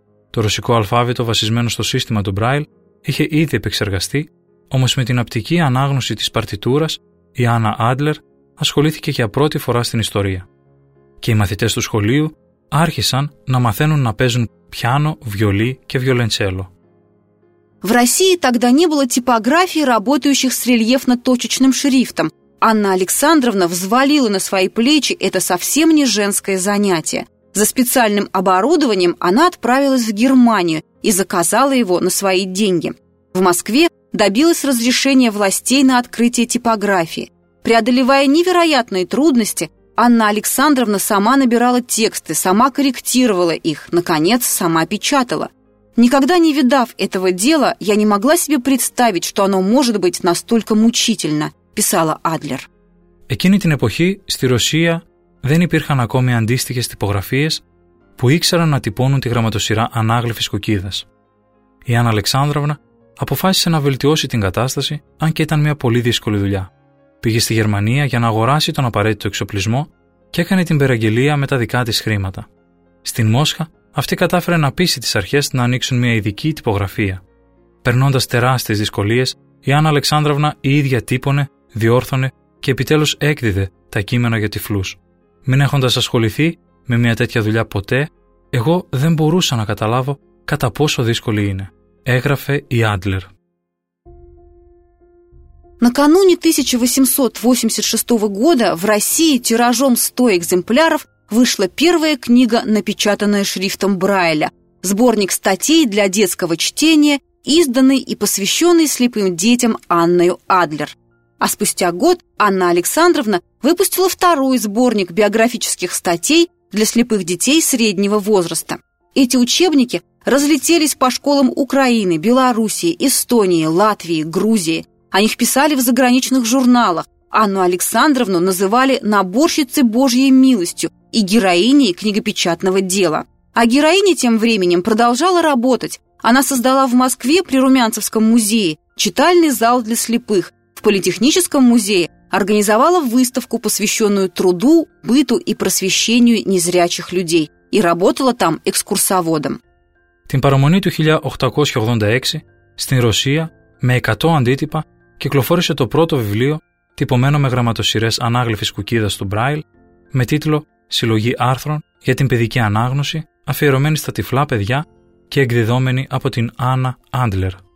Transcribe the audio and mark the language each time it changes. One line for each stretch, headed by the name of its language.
Greek: Το ρωσικό αλφάβητο βασισμένο στο σύστημα του Braille είχε ήδη επεξεργαστεί, όμως με την απτική ανάγνωση της παρτιτούρας η Άννα Άντλερ ασχολήθηκε για πρώτη φορά στην ιστορία. Και οι μαθητές του σχολείου άρχισαν να μαθαίνουν να παίζουν πιάνο, βιολί και βιολοντσέλο.
Russian: В России тогда не было типографий, работающих с рельефно-точечным шрифтом. Анна Александровна взвалила на свои плечи это совсем не женское занятие. За специальным оборудованием она отправилась в Германию и заказала его на свои деньги. В Москве добилась разрешения властей на открытие типографии. Преодолевая невероятные трудности, Анна Александровна сама набирала тексты, сама корректировала их, наконец, сама печатала. Никогда не видав этого дела, я не могла себе представить, что оно может быть настолько мучительно, писала Адлер.
Greek: Εκείνη την εποχή στη Ρωσία δεν υπήρχαν ακόμη αντίστοιχες τυπογραφίες που ήξεραν να τυπώνουν τη γραμματοσειρά ανάγλυφης κουκίδας. Η Άννα Αλεξάνδραυνα αποφάσισε να βελτιώσει την κατάσταση, αν και ήταν μια πολύ δύσκολη δουλειά. Πήγε στη Γερμανία για να αγοράσει τον απαραίτητο εξοπλισμό και έκανε την περαγγελία με τα δικά της χρήματα. Στην Μόσχα, αυτή κατάφερε να πείσει τις αρχές να ανοίξουν μια ειδική τυπογραφία. Περνώντας τεράστιες δυσκολίες, η Άννα Αλεξάνδραυνα η ίδια τύπωνε, διόρθωνε και επιτέλους έκδιδε τα κείμενα για τυφλούς. Μην έχοντας ασχοληθεί με μια τέτοια δουλειά ποτέ, εγώ δεν μπορούσα να καταλάβω κατά πόσο δύσκολη είναι, έγραφε η Άντλερ.
Russian: Накануне 1886 года в России тиражом 100 экземпляров вышла первая книга, напечатанная шрифтом Брайля, сборник статей для детского чтения, изданный и посвященный слепым детям Анною Адлер. А спустя год Анна Александровна выпустила второй сборник биографических статей для слепых детей среднего возраста. Эти учебники разлетелись по школам Украины, Белоруссии, Эстонии, Латвии, Грузии. О них писали в заграничных журналах. Анну Александровну называли «наборщицей Божьей милостью» и героиней книгопечатного дела. А героиня тем временем продолжала работать. Она создала в Москве при Румянцевском музее читальный зал для слепых. В Политехническом музее организовала выставку, посвященную труду, быту и просвещению незрячих людей. И работала там экскурсоводом.
Greek: Την παραμονή του 1886 στην Ρωσία με 100 αντίτυπα κυκλοφόρησε το πρώτο βιβλίο τυπωμένο με γραμματοσειρές ανάγλυφης κουκίδας του Braille με τίτλο «Συλλογή άρθρων για την παιδική ανάγνωση, αφιερωμένη στα τυφλά παιδιά και εκδιδόμενη από την Άννα Άντλερ».